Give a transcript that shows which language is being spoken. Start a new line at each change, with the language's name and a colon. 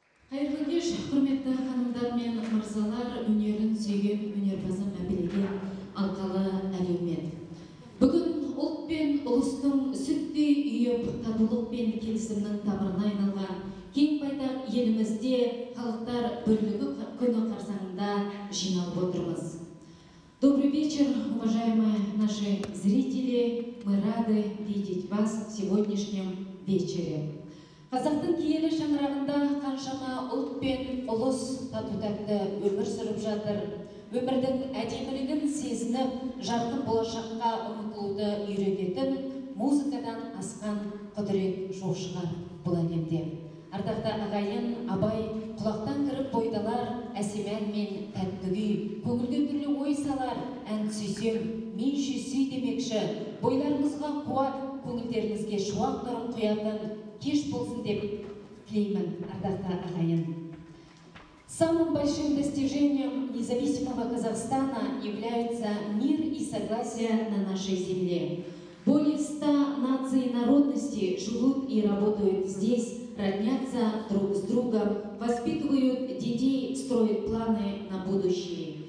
Kazakh: Қайырлы кеш, құрметті ханымдар мен мырзалар, өнерін сүйген өнерпазы мәпелеген алқалы әлеумет. Бүгін ұлт пен ұлыстың сүттей үйіп, татулық пен келісімнің тамырына айналған кең байтақ елімізде халықтар бірлігі күні қарсаңында жиналып отырмыз.
Russian: Добрый вечер, уважаемые наши зрители! Мы рады видеть вас в сегодняшнем вечере.
Kazakh: Қазақтың киелі шаңырағында қаншама ұлт пен ұлыс тату-тәтті өмір сүріп жатыр. Өмірдің әдемілігін сезініп, жарқын болашаққа ұмтылуды үйрететін музыкадан асқан құдірет жоқшыға бұл әлемде. Ардақты ағайын Абай құлақтан кіріп бойдалар әсем ән мен тәтті күй, көңілге түрлі ой салар ән сүйсем, мен сүйсей демекші, бойларыңызға қуат, көңілдеріңізге шуақ нұрын құятын кеш болсын деп тілеймін, ардақты ағайын.
Russian: Самым большим достижением независимого Казахстана является мир и согласие на нашей земле. Более 100 наций и народностей живут и работают здесь, роднятся друг с другом, воспитывают детей, строят планы на будущее.